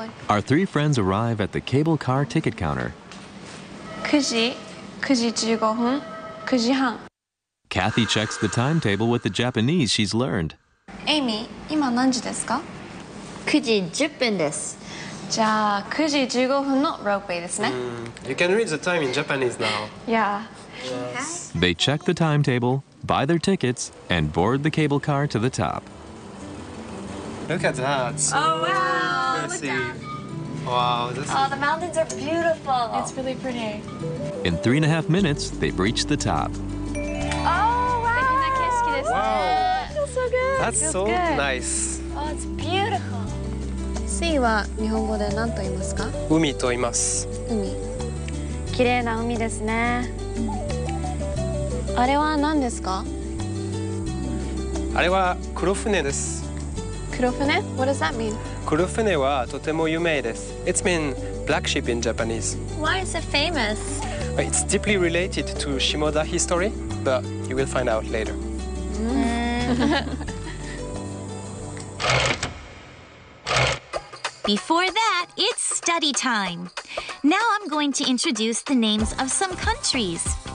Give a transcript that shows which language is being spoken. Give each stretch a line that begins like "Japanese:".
English: Our three friends arrive at the cable car ticket counter.
Japanese: 9時15分、9時半.
English: Kathy checks the timetable with the Japanese she's learned.
Japanese: Amy, 今何時ですか ?9時10分です。じゃあ、9時15分のロープウェイですね。
English: You can read the time in Japanese now. Yeah. Yes. They check the timetable, buy their tickets, and board the cable car to the top. Look at that. So oh, wow. Wow, this Oh, the mountains are beautiful. It's really pretty. In 3.5 minutes, they've reached the top. Oh, wow. Wow. It feels so good. That's so nice. Oh, it's beautiful.
Japanese: Sea は日本語で何と言いますか? 海と言います。海。綺麗な海ですね。あれは何ですか? あれは黒船です。
English: 黒船?What does that mean?
Japanese: 黒船はとても有名です。
English: It's mean black ship in Japanese. Why is it famous? It's deeply related to Shimoda history, but you will find out later. Before that, it's study time. Now I'm going to introduce the names of some countries.